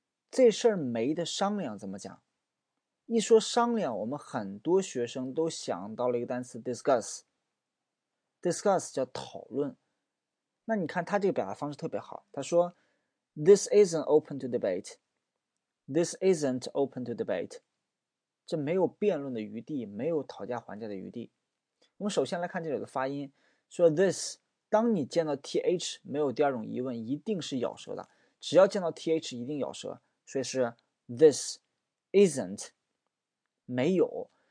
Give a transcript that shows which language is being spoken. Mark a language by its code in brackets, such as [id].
[zh] 这事儿没得商量怎么讲？一说商量，我们很多学生都想到了一个单词 discuss。 discuss 叫讨论。那你看他这个表达方式特别好，他说 [en] This isn't open to debate. This isn't open to debate. [zh] 这没有辩论的余地，没有讨价还价的余地。我们首先来看这里的发音，说 this， 当你见到 th， 没有第二种疑问，一定是咬舌的。只要见到 th， 一定咬舌，所以是 [en] this isn't， [zh] 没有。